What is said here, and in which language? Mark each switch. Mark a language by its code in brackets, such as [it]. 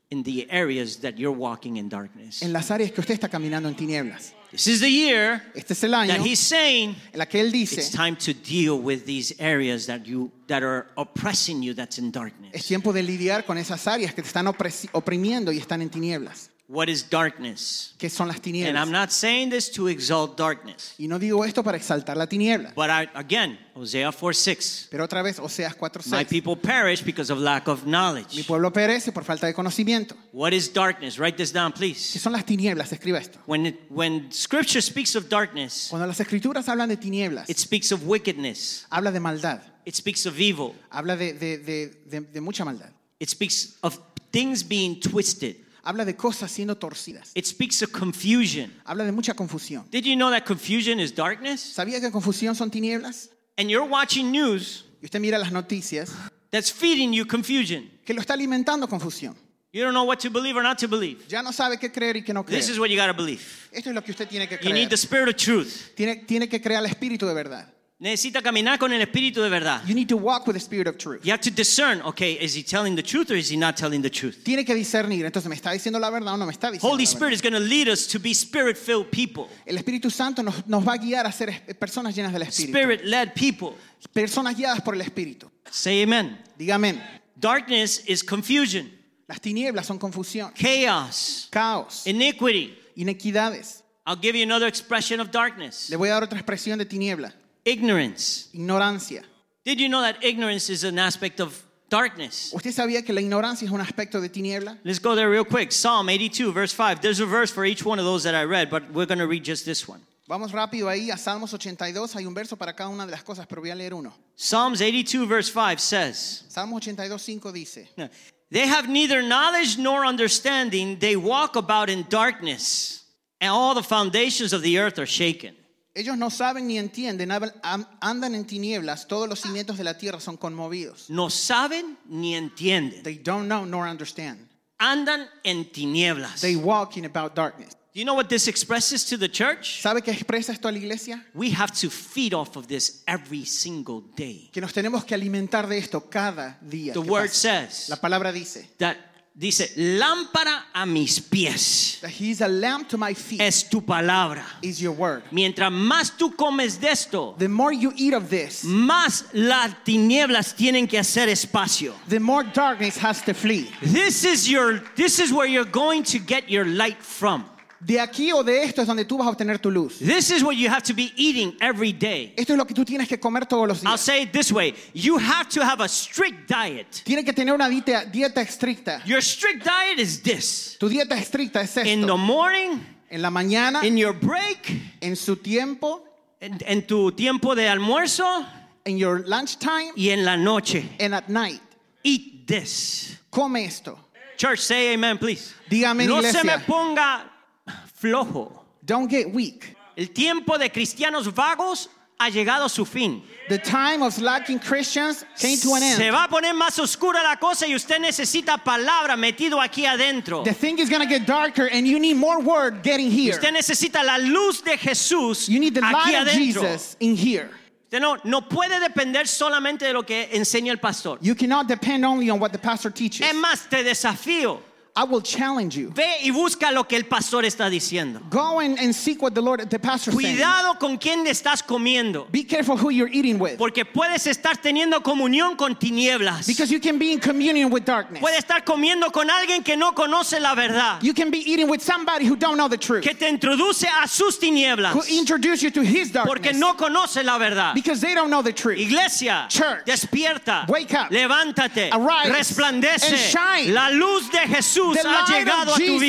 [en] in the areas that you're walking in darkness. [es] En las áreas que usted está caminando en tinieblas. [en] This is the year [es] este es el año [en] that he's saying [es] en la que él dice, [en] it's time to deal with these areas that are oppressing you that's in darkness. [es] Es tiempo de lidiar con esas áreas que te están oprimiendo y están en tinieblas. [en] What is darkness? [es] ¿Qué son las tinieblas? [en] And I'm not saying this to exalt darkness. [es] Y no digo esto para exaltar la tiniebla. [en] But again, Hosea 4:6. [es] Pero otra vez, Oseas 4:6. [en] My people perish because of lack of knowledge. [es] Mi pueblo perece por falta de conocimiento. [en] What is darkness? Write this down, please. [es] ¿Qué son las tinieblas? Escriba esto. [en] When Scripture speaks of darkness, [es] cuando las escrituras hablan de tinieblas, [en] it speaks of wickedness. [es] Habla de maldad. [en] It speaks of evil. [es] Habla de mucha maldad. [en] It speaks of things being twisted. [es] Habla de cosas siendo torcidas. [en] It speaks of confusion. [es] Habla de mucha confusión. [en] Did you know that confusion is darkness? [es] ¿Sabía que confusión son tinieblas? [en] And you're watching news. [es] Y usted mira las noticias. [en] That's feeding you confusion. [es] Que lo está alimentando confusión. [en] You don't know what to believe or not to believe. [es] Ya no sabe qué creer y qué no creer. [en] This is what you got to believe. [es] Esto es lo que usted tiene que creer. [en] You need the spirit of truth. [es] Tiene que creer al espíritu de verdad. Necesita caminar con el espíritu de verdad. [en] You need to walk with the spirit of truth. You have to discern, okay, is he telling the truth or is he not telling the truth? [es] Tiene que discernir, entonces me está diciendo la verdad o no me está diciendo. [en] Holy Spirit is going to lead us to be spirit-filled people. [es] El Espíritu Santo nos va a guiar a ser personas llenas del espíritu. [en] Spirit-led people. [es] Personas guiadas por el espíritu. [en] Say amen. [es] Diga amén. [en] Darkness is confusion. [es] Las tinieblas son confusión. [en] Chaos. [es] Caos. [en] Iniquity. [es] Iniquidades. [en] I'll give you another expression of darkness. [es] Le voy a dar otra expresión de tiniebla. [en] Ignorance. [es] Ignorancia. [en] Did you know that ignorance is an aspect of darkness? [es] ¿Usted sabía que la ignorancia es un aspecto de tiniebla? [en] Let's go there real quick. Psalm 82, verse 5. There's a verse for each one of those that I read, but we're going to read just this one. [es] Vamos rápido ahí a Salmos 82. Hay un verso para cada una de las cosas, pero voy a leer uno. [en] Psalms 82, verse 5 says. [es] Salmos 82, 5 dice. [en] They have neither knowledge nor understanding. They walk about in darkness, and all the foundations of the earth are shaken. [es] Ellos no saben ni entienden, andan en tinieblas, todos los cimientos de la tierra son conmovidos. No saben ni entienden. [en] They don't know nor understand. [es] Andan en tinieblas. [en] They walk in about darkness. Do you know what this expresses to the church? [es] ¿Sabe qué expresa esto a la iglesia? [en] We have to feed off of this every single day. [es] Que nos tenemos que alimentar de esto cada día. [en] The word says. [es] La palabra dice. That dice, lámpara a mis pies. [en] That he's a lamp to my feet. [es] Es tu palabra. [en] Is your word. [es] Mientras más tú comes de esto, [en] the more you eat of this, [es] más las tinieblas tienen que hacer espacio. [en] The more darkness has to flee. This is where you're going to get your light from. [es] De aquí o de esto es donde tú vas a obtener tu luz. [en] This is what you have to be eating every day. [es] Esto es lo que tú tienes que comer todos los días. [en] I'll say it this way. You have to have a strict diet. [es] Tienes que tener una dieta estricta. [en] Your strict diet is this. [es] Tu dieta estricta es esto. [en] In the morning. [es] En la mañana. [en] In your break. [es] En su tiempo. En tu tiempo de almuerzo. [en] In your lunchtime. [es] Y en la noche. [en] And at night. Eat this. [es] Come esto. [en] Church, say amen, please. [es] Dígame, no iglesia. Se me ponga flojo. [en] Don't get weak. [es] El tiempo de cristianos vagos ha llegado a su fin. [en] The time of slacking Christians came to an end. [es] Se va a poner más oscura la cosa y usted necesita palabra metido aquí adentro. [en] The thing is going to get darker and you need more word getting here. [es] Usted necesita la luz de Jesús aquí adentro. [en] You need the light of Jesus in here. [es] Usted no puede depender solamente de lo que enseña el pastor. [en] You cannot depend only on what the pastor teaches. [es] Es más, te desafío. [en] I will challenge you. [es] Ve y busca lo que el pastor está diciendo. [en] Go and seek what the pastor says. [es] Cuidado con quién estás comiendo. [en] Be careful who you're eating with. [es] Porque puedes estar teniendo comunión con tinieblas. [en] Because you can be in communion with darkness. [es] Puedes estar comiendo con alguien que no conoce la verdad. [en] You can be eating with somebody who don't know the truth. [es] Que te introduce a sus tinieblas. [en] Who introduce you to his darkness. [es] Porque no conoce la verdad. [en] Because they don't know the truth. [es] Iglesia, [en] church, [es] despierta. [en] Wake up. [es] Levántate. [en] Arise. [es] Resplandece. [en] And shine. [es] La luz de Jesús. [en] The light [es] ha llegado [en] of Jesus